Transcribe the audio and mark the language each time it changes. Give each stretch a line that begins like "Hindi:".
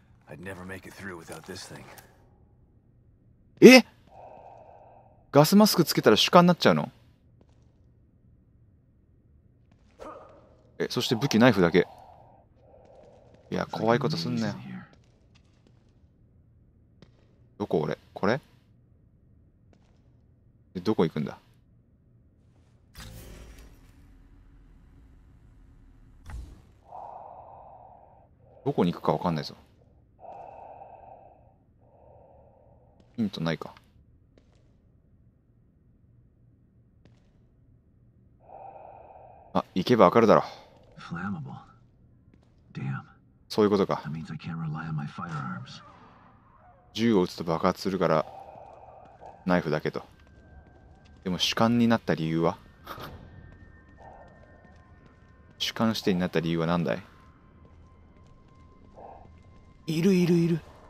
English: I'd never make it through without this thing.
Japanese: え？ガスマスクつけたら主観になっちゃうの？え、そして武器ナイフだけ。いや怖いことすんなよ。どこ俺これで、どこ行くんだ。どこに行くか分かんないぞ。ヒントないか。あ、行けばわかるだろ
English: う。Flammable. Damn.
Japanese: そういうことか。
English: That means I can't rely on my firearms.
Japanese: 銃を撃つと爆発するからナイフだけと。でも主観になった理由は主観指定になった理由は何だい。いるいるいる。